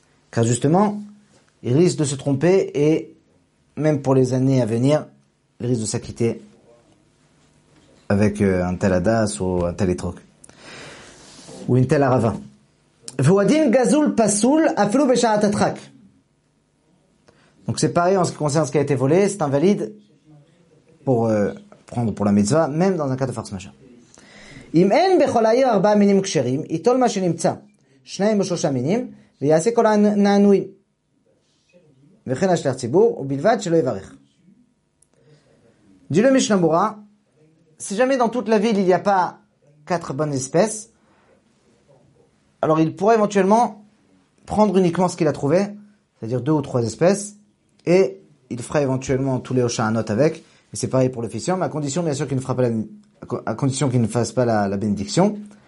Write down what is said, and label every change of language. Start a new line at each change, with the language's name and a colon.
French: Car justement, il risque de se tromper et même pour les années à venir, il risque de s'acquitter avec un tel hadas ou un tel etrog. Ou une telle arava.
Hebrew: Vouadim gazoul pasoul afilou bechaat atrak.
French: Donc c'est pareil en ce qui concerne ce qui a été volé, c'est invalide pour prendre pour la mitzvah, même dans un cas de force majeure.
Hebrew: אם אין בכל העיר ארבעה מינים כשרים, איתול מה שנמצא, שניים או שלושה מינים, ויעשה כל הנענויים. וכן השליח ציבור, ובלבד שלא יברך.
French: דילו משנה ברורה, si jamais dans toute la ville il n'y a pas quatre bonnes espèces, alors il pourrait éventuellement prendre uniquement ce qu'il a trouvé, c'est-à-dire deux ou trois espèces, et il fera éventuellement tous les hoshanot avec, mais c'est pareil pour l'officiant, mais à condition bien sûr qu'il ne fera pas la à condition qu'il ne fasse pas la bénédiction.